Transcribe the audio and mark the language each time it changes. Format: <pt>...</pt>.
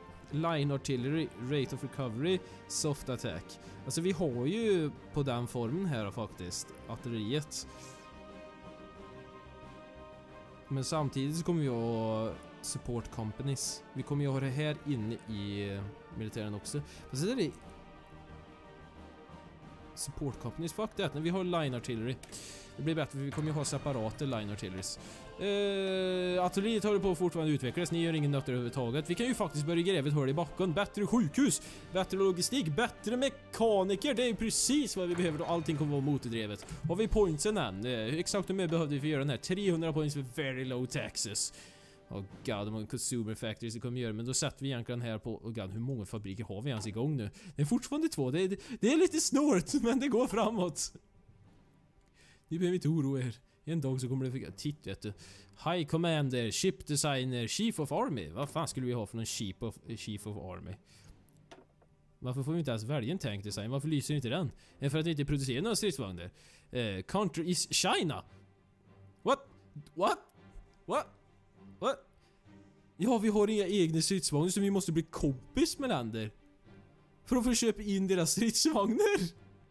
<en>Line artillery, rate of recovery, soft attack.</en> <sv>Alltså vi har ju på den formen här faktiskt artilleriet. Men samtidigt så kommer vi att support companies. Vi kommer ju ha det här inne i militären också. Vad säger vi?</sv> <en>Support companies, fuck that.</en> <sv>Vi har line artillery. Det blir bättre, vi kommer ju ha separata line artilleries. Artilleriet håller på att fortfarande utvecklas. Ni gör ingen nötter överhuvudtaget. Vi kan ju faktiskt börja gräva ett hål i backen. Bättre sjukhus, bättre logistik, bättre mekaniker. Det är ju precis vad vi behöver då allting kommer att vara motordrevet. Har vi pointsen än? Exakt hur mycket behövde vi för att göra den här? 300 points för very low taxes. Oh god, hur många consumer factories det kommer göra. Men då sätter vi egentligen här på, oh god, hur många fabriker har vi ens igång nu? Det är fortfarande två, det är lite snårt, men det går framåt. Ni behöver inte oroa er. En dag så kommer det fika, titt vet du.</sv> <en>High commander, ship designer, chief of army.</en> <sv>Vad fan skulle vi ha för någon chief of army? Varför får vi inte ens välja en tank design? Varför lyser inte den? Är för att vi inte producerar några stridsvagnar?</sv> <en>Country is China. What? What?</en> <sv>Ja, vi har inga egna stridsvagnar, så vi måste bli kompis med länder för att få köpa in deras stridsvagnar.</sv>